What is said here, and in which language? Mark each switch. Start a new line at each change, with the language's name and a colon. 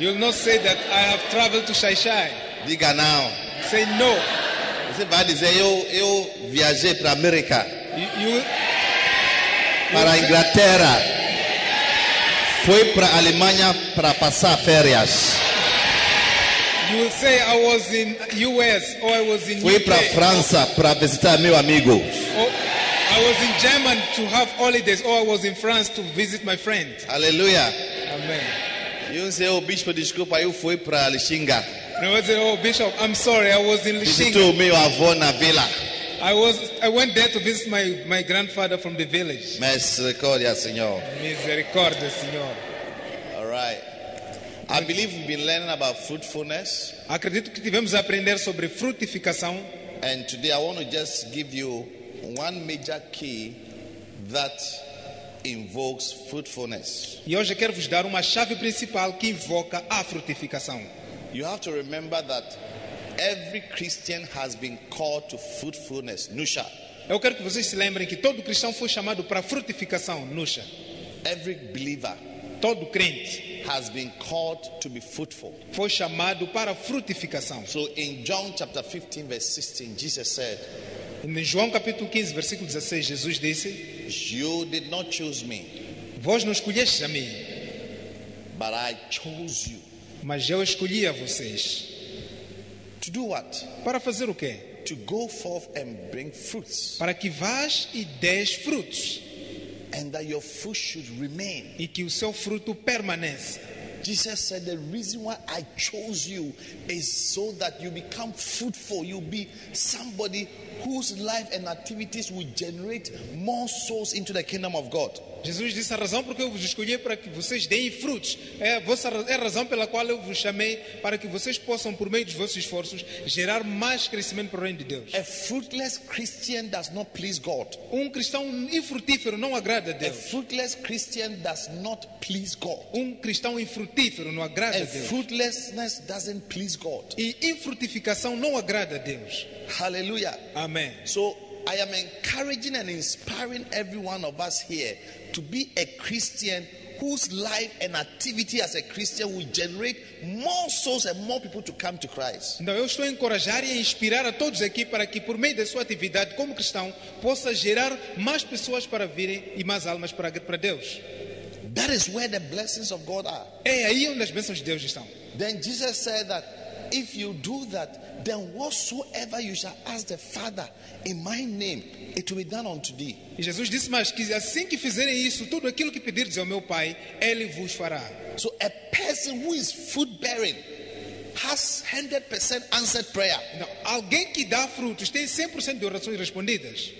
English: You'll not say that I have traveled to Xai-Xai.
Portuguese: Diga não.
English: Say no.
Portuguese: Você vai dizer eu viajei para América. Para Inglaterra. Foi para Alemanha para passar férias.
English: You will say I was in US or I was in UK.
Portuguese: Fui para França para visitar meu amigo.
English: Oh, I was in Germany to have holidays or I was in France to visit my friend.
Portuguese: Aleluia.
English: Amen. You say, oh bishop,
Portuguese: desculpa, eu fui para Lixinga.
English: No, I say, oh bishop, I'm sorry, I was in Lixinga.
Portuguese: Visitou meu avô na vila.
English: I went there to visit my grandfather from the village.
Portuguese: Misericórdia, Senhor. Misericórdia, Senhor.
English: All right. I believe we've been learning about fruitfulness.
Portuguese: Acredito que tivemos a aprender sobre frutificação.
English: And today I want to just give you one major key that invokes fruitfulness.
Portuguese: E hoje quero vos dar uma chave principal que invoca a frutificação.
English: You have to remember that Every Christian has been called to fruitfulness, nusha.
Portuguese: Eu quero que vocês se lembrem que todo cristão foi chamado para frutificação, nusha.
English: Every believer,
Portuguese: todo crente,
English: has been called to be fruitful.
Portuguese: Foi chamado para frutificação.
English: So in John chapter 15 verse 16, Jesus said,
Portuguese: em João capítulo 15 versículo 16, Jesus disse,
English: you did not choose me.
Portuguese: Vós não escolheste a mim.
English: But I chose you.
Portuguese: Mas eu escolhi a vocês.
English: To do what?
Portuguese: Para fazer o quê?
English: To go forth and bring fruits.
Portuguese: Para que vás e deis frutos.
English: And that your fruit should remain.
Portuguese: E que o seu fruto permaneça.
English: Jesus said, the reason why I chose you is so that you become fruitful. You'll be somebody whose life and activities will generate more souls into the kingdom of God.
Portuguese: Jesus disse, a razão porque eu vos escolhi para que vocês deem frutos. É a razão pela qual eu vos chamei para que vocês possam, por meio dos vossos esforços, gerar mais crescimento para o reino de Deus.
English: A fruitless Christian does not please God.
Portuguese: Um cristão infrutífero não agrada a Deus.
English: A fruitless Christian does not please God.
Portuguese: Um cristão infrutífero não agrada a Deus.
English: A fruitlessness doesn't please God.
Portuguese: E infrutificação não agrada a Deus.
English: Hallelujah.
Portuguese: Amém.
English: So, I am encouraging and inspiring every one of us here to be a Christian whose life and activity as a Christian will generate more souls and more people to come to Christ.
Portuguese: Então, eu estou a encorajar e a inspirar a todos aqui para que, por meio da sua atividade como cristão, possa gerar mais pessoas para virem e mais almas para Deus.
English: That is where the blessings of God are.
Portuguese: É aí onde as bênçãos de Deus estão.
English: Then Jesus said that if you do that, then whatsoever you shall ask the Father in my name, it will be done unto thee.
Portuguese: E Jesus disse mais que assim que fizerem isso, tudo aquilo que pedirdes ao meu Pai, ele vos fará.
English: So a person who is fruit bearing has 100% answered prayer.
Portuguese: Now, alguém que dá frutos tem 100% de orações respondidas.